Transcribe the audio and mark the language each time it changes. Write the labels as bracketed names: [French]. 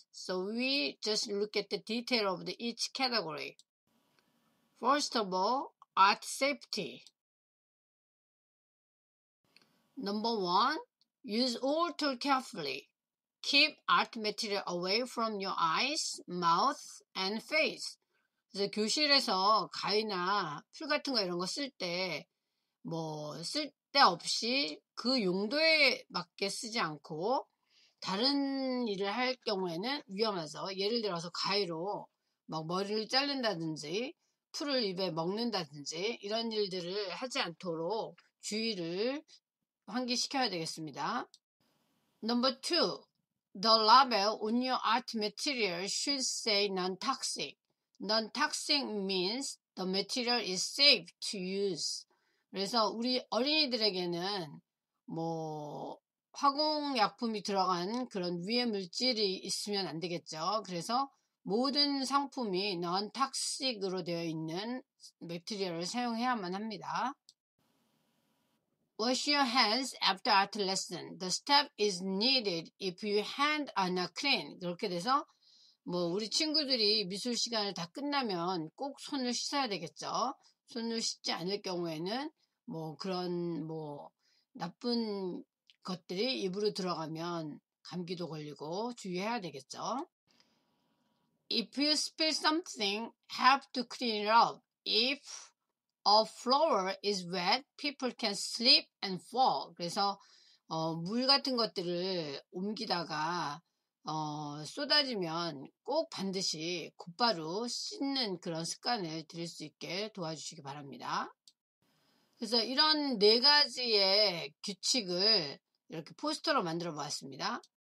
[English] So, we just look at the detail of each category. First of all, art safety. Number one, use all tools carefully. Keep art material away from your eyes, mouth, and face. [Korean] 그래서 교실에서 가위나 풀 같은 거 이런 거쓸 때, 뭐, 쓸데없이 그 용도에 맞게 쓰지 않고, 다른 일을 할 경우에는 위험해서, 예를 들어서 가위로 막 머리를 자른다든지, 풀을 입에 먹는다든지, 이런 일들을 하지 않도록 주의를 환기시켜야 되겠습니다. [English] Number two. The label on your art material should say non-toxic. Non-toxic means the material is safe to use. [Korean] 그래서 우리 어린이들에게는 뭐 화공약품이 들어간 그런 위해 물질이 있으면 안 되겠죠. 그래서 모든 상품이 non-toxic으로 되어 있는 material을 사용해야만 합니다. [English] Wash your hands after art lesson. The step is needed if your hands are not clean. [Korean] 그렇게 돼서, 뭐, 우리 친구들이 미술 시간을 다 끝나면 꼭 손을 씻어야 되겠죠. 손을 씻지 않을 경우에는, 뭐, 그런, 뭐, 나쁜 것들이 입으로 들어가면 감기도 걸리고 주의해야 되겠죠. [English] If you spill something, have to clean it up. If a floor is wet, people can slip and fall. [Korean] 그래서 물 같은 것들을 옮기다가 쏟아지면 꼭 반드시 곧바로 씻는 그런 습관을 들일 수 있게 도와주시기 바랍니다. 그래서 이런 네 가지의 규칙을 이렇게 포스터로 만들어 보았습니다.